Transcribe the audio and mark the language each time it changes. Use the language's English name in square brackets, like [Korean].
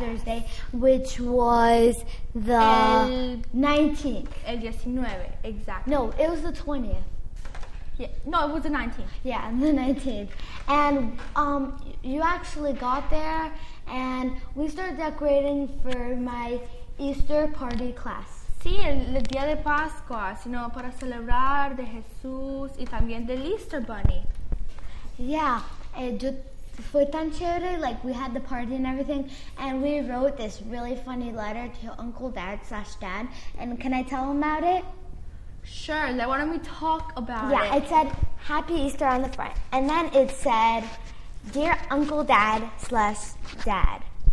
[English] Thursday, which was the 19th. [Spanish] El 19, [English] No, exactly. it was the 20th. No, it was the 19th. Yeah, the 19th. And you actually got there, and we started decorating for my Easter party class. [Spanish] Sí, el día de Pascua, sino para celebrar de Jesús y también del Easter Bunny. [English] Yeah, [Spanish] yo, fue tan chévere, [English] like we had the party and everything, and we wrote this really funny letter to Uncle Dad slash Dad, and can I tell him about it? Sure, like, why don't we talk about it? Yeah, it said, Happy Easter on the front, and then it said, Dear Uncle Dad slash Dad.